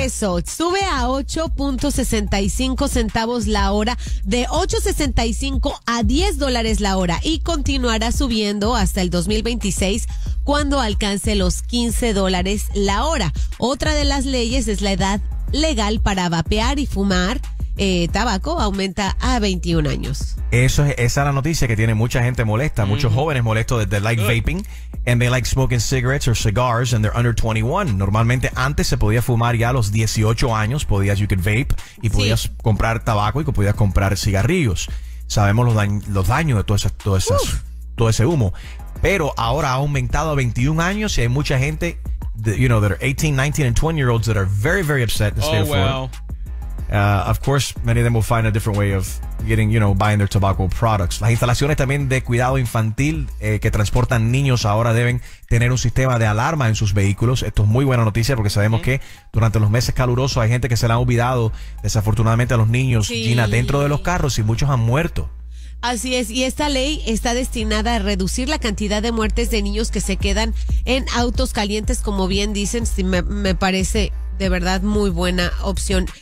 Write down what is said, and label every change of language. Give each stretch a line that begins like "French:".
Spanish: Eso, sube a 8.65 centavos la hora, de 8.65 a $10 la hora, y continuará subiendo hasta el 2026 cuando alcance los $15 la hora. Otra de las leyes es la edad legal para vapear y fumar tabaco, aumenta a 21 años. Esa es la noticia que tiene mucha gente molesta, muchos jóvenes molestos desde
English: like vaping. And they like smoking cigarettes or cigars, and they're under 21.
Spanish: Normalmente antes se podía fumar ya a los 18 años, podías,
English: you could vape,
Spanish: y podías comprar tabaco y podías comprar cigarrillos. Sabemos los daños de todo ese humo. Pero ahora ha aumentado a 21 años y hay mucha gente,
English: that, you know, that are 18, 19, and 20-year-olds that are very, very upset in the state of Florida. Of course, many of them will find a different way of getting, you know, buying their tobacco products.
Spanish: Las instalaciones también de cuidado infantil que transportan niños ahora deben tener un sistema de alarma en sus vehículos. Esto es muy buena noticia porque sabemos que durante los meses calurosos hay gente que se le ha olvidado, desafortunadamente, a los niños, Gina, dentro de los carros y muchos han muerto. Así es, y esta ley está destinada a reducir la cantidad de muertes de niños que se quedan en autos calientes, como bien dicen, si me parece de verdad muy buena opción.